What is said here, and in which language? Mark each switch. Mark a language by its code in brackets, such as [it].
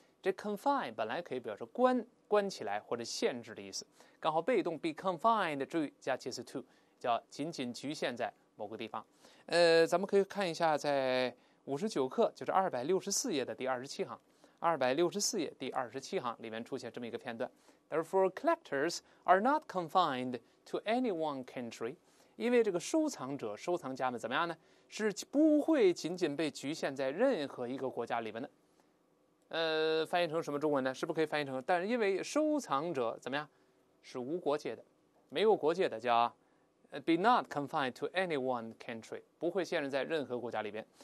[zh] 这 confine 本来可以表示关起来或者限制的意思，刚好被动 be confined 注意加介词 to， 叫仅仅局限在某个地方。咱们可以看一下在59课，就是264页的第27行，264页第27行里面出现这么一个片段。 [en] Therefore, collectors are not confined to any one country. [zh] 因为这个收藏者、收藏家们怎么样呢？是不会仅仅被局限在任何一个国家里面的。翻译成什么中文呢？是不是可以翻译成？但是因为收藏者怎么样？是无国界的，没有国界的叫 [en] be not confined to any one country， [zh] 不会限制在任何国家里边。